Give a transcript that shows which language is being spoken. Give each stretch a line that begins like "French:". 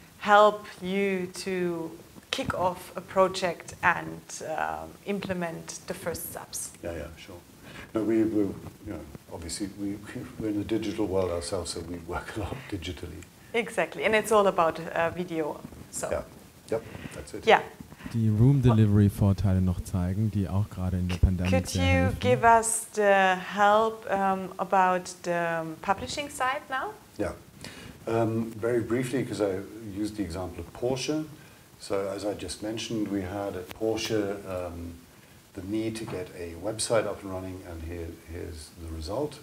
English: help you to kick off a project and implement the first steps. Yeah, sure. No, we're in the digital world ourselves, so we work a lot digitally. Exactly, and it's all about video. So. Yeah. Yep. That's it. Yeah.
German: Die Room Delivery Vorteile noch zeigen, die auch gerade in der Pandemie.
English: Could you give us the help about the publishing side now? Yeah. Very briefly, because I used the example of Porsche. So as I just mentioned, we had at Porsche the need to get a website up and running, and here's the result.